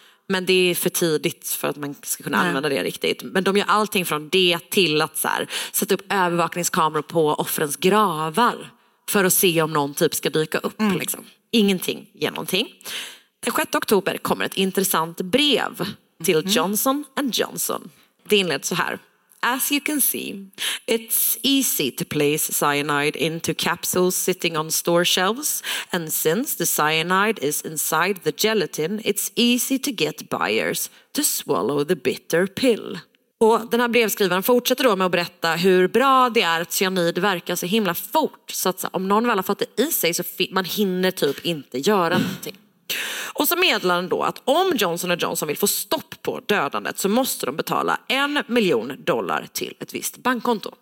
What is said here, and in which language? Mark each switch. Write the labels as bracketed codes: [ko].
[sv] Men det är för tidigt för att man ska kunna använda det riktigt. Men de gör allting från det till att så här, sätta upp övervakningskameror på offrens gravar. För att se om någon typ ska dyka upp. Mm. Liksom. Ingenting ger någonting. Den 6 oktober kommer ett intressant brev till Johnson & Johnson. Det inleds så här. [en] As you can see, it's easy to place cyanide into capsules sitting on store shelves. And since the cyanide is inside the gelatin, it's easy to get buyers to swallow the bitter pill. [sv] Och den här brevskrivaren fortsätter då med att berätta hur bra det är att cyanid verkar så himla fort. Så att om någon väl har fått det i sig så man hinner typ inte göra någonting. Och så meddelar han då att om Johnson & Johnson vill få stopp på dödandet så måste de betala $1 miljon till ett visst bankkonto.